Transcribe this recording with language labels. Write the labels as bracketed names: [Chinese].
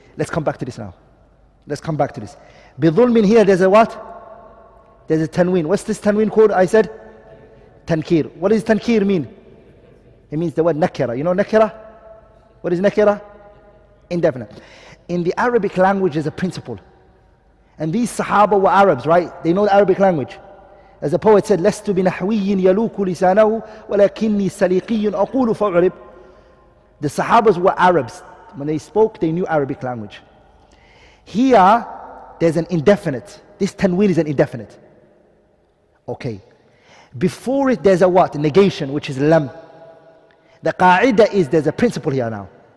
[English] Let's come back to this now. Let's come back to this. Bidhulmin here, there's a what? There's a tanween. What's this tanween called? I said? Tankir. What does tankir mean? It means the word nakira. You know nakira? What is nakira? Indefinite. In the Arabic language, there's a principle. And these Sahaba were Arabs, right? They know the Arabic language. As the poet said, [Arabic] لَسْتُ بِنَحْوِيٍّ يَلُوكُ لِسَانَهُ وَلَكِنِّي سَلِيقِيٌّ أَقُولُ فَعْرِبْ. [English] The Sahabas were Arabs. When they spoke, they knew Arabic language. Here, there's an indefinite. This tanween is an indefinite. Okay. Before it, there's a what? A negation, which is lam. The qa'ida is, there's a principle here now.